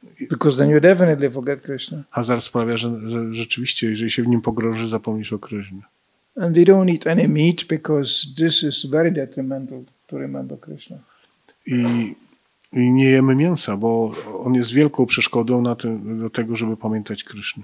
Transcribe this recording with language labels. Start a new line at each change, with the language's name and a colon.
English: Because then you definitely forget Krishna.
Polish: Hazard sprawia, że rzeczywiście, jeżeli się w nim pogrąży, zapomnisz o Krishna.
English: And we don't eat any meat because this is very detrimental to remember Krishna.
Polish: I nie jemy mięsa, bo on jest wielką przeszkodą do tego, żeby pamiętać Krysznę.